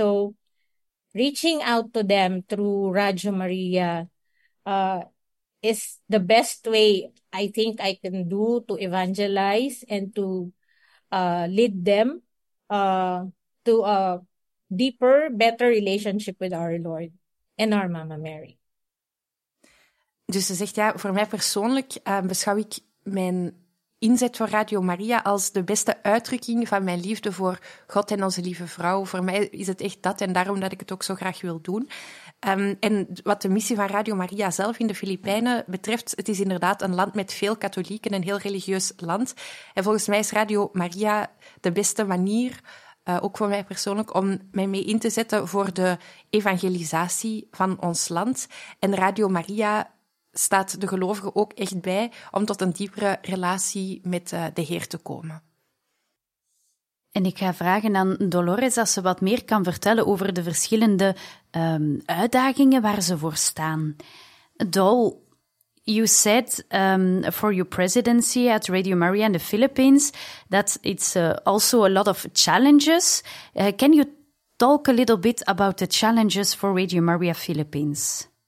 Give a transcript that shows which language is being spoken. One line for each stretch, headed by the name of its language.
English: So reaching out to them through Radio Maria is the best way I think I can do to evangelize and to lead them to a deeper, better relationship with our Lord and our Mama Mary.
Dutch: Dus ze zegt, ja, voor mij persoonlijk beschouw ik mijn inzet voor Radio Maria als de beste uitdrukking van mijn liefde voor God en onze lieve vrouw. Voor mij is het echt dat en daarom dat ik het ook zo graag wil doen. En wat de missie van Radio Maria zelf in de Filipijnen betreft, het is inderdaad een land met veel katholieken, een heel religieus land. En volgens mij is Radio Maria de beste manier ook voor mij persoonlijk, om mij mee in te zetten voor de evangelisatie van ons land. En Radio Maria staat de gelovigen ook echt bij om tot een diepere relatie met de Heer te komen. En ik ga vragen aan Dolores als ze wat meer kan vertellen over de verschillende uitdagingen waar ze voor staan.
English: Dol, you said for your presidency at Radio Maria in the Philippines that it's also a lot of challenges. Can you talk a little bit about the challenges for Radio Maria Philippines?